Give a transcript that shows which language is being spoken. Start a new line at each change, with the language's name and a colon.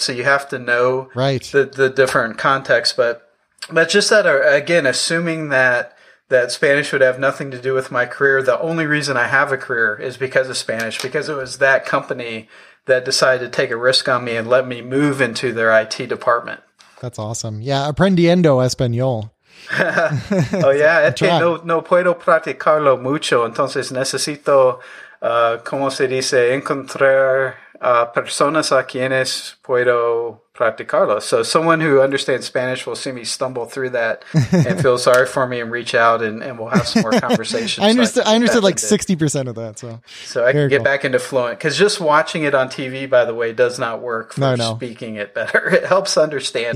English: So you have to know the different context. But just that, again, assuming that Spanish would have nothing to do with my career, the only reason I have a career is because of Spanish, because it was that company that decided to take a risk on me and let me move into their IT department. That's awesome. Yeah,
Spanish: aprendiendo español.
English: Oh, yeah.
Spanish: No puedo practicarlo mucho, entonces necesito como se dice, encontrar personas a quienes puedo practicarlo.
English: So someone who understands Spanish will see me stumble through that and feel sorry for me and reach out, and we'll have some more conversations. I understood like 60% of that. So I can get back into fluent. Because just watching it on TV, by the way, does not work for speaking it better. It helps understand.